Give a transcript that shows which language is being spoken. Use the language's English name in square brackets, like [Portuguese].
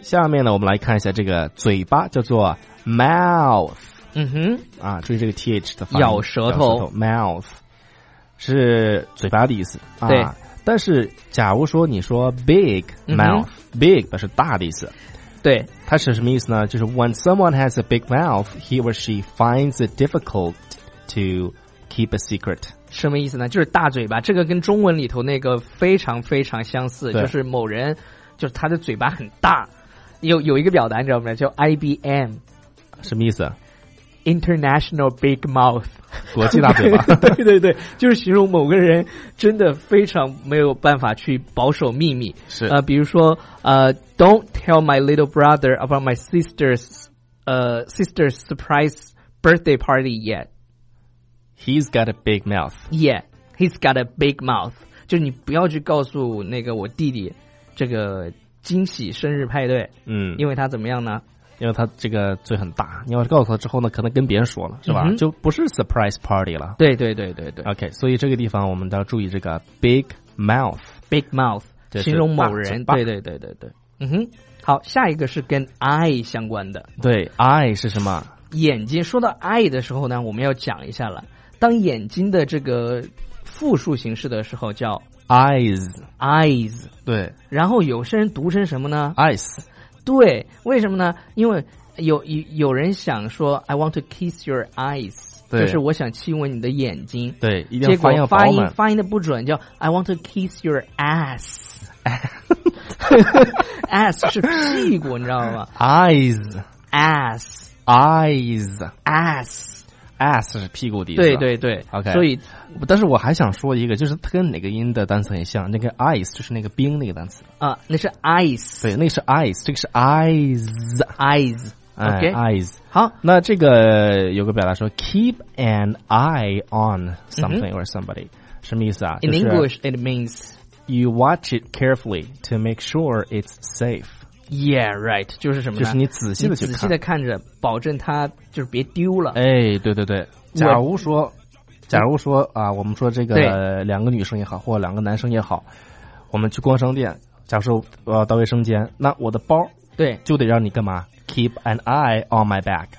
[Chinese] 下面呢，我们来看一下这个嘴巴叫做 mouth。嗯哼，啊，注意这个 th 的发音，咬舌头，mouth。 是嘴巴的意思、啊、对，但是假如说你说 big mouth、big 是大的意思，对，它是什么意思呢？就是 [English] when someone has a big mouth he or she finds it difficult to keep a secret。 [Chinese] 什么意思呢？就是大嘴巴，这个跟中文里头那个非常非常相似，就是某人就是他的嘴巴很大。有一个表达你知道吗？叫 IBM。什么意思？ [English] International Big Mouth， [Chinese] 国际大嘴巴。对对对，就是形容某个人真的非常没有办法去保守秘密。是比如说 [English] Don't tell my little brother about my sister's surprise birthday party yet. He's got a big mouth. Yeah, he's got a big mouth. [Chinese] 就你不要去告诉那个我弟弟这个惊喜生日派对。嗯，因为他怎么样呢？因为他这个嘴很大，你要是告诉他之后呢，可能跟别人说了，是吧？嗯、就不是 surprise party 了。对对对对对。 OK， 所以这个地方我们要注意这个 big mouth， big mouth 形容某人。对对对对对。嗯哼，好，下一个是跟 eye 相关的。对 ，eye 是什么？眼睛。说到 eye 的时候呢，我们要讲一下了。当眼睛的这个复数形式的时候叫 eyes。 对。然后有些人读成什么呢 [English] ？eyes。 [Chinese] 对，为什么呢？因为有人想说 [English] I want to kiss your eyes， [Chinese] 就是我想亲吻你的眼睛。对，一定要发音要饱满，发音的不准，叫 [English] I want to kiss your ass。 [Chinese] ass 是屁股，你知道吗？ [English] eyes ass eyes ass [Chinese] ass 是屁股的意思。对对对。 OK，所以但是我还想说一个，就是它跟哪个音的单词很像，那个 eyes 就是那个冰那个单词啊，那是 ice。对，那是 eyes， 这个是 eyes。 OK， [English] eyes。 [Chinese] 好，那这个有个表达说 [English] keep an eye on something or somebody。 [Chinese] 什么意思啊？ [English] In English it means you watch it carefully to make sure it's safe。 Yeah, right. [Chinese] 就是什么呢？就是你仔细的去看，仔细的看着，保证它就是别丢了。哎，对对对。假如说啊，我们说这个两个女生也好，或者两个男生也好，我们去逛商店，假如说我要到卫生间，那我的包对就得让你干嘛？ [English] keep an eye on my back.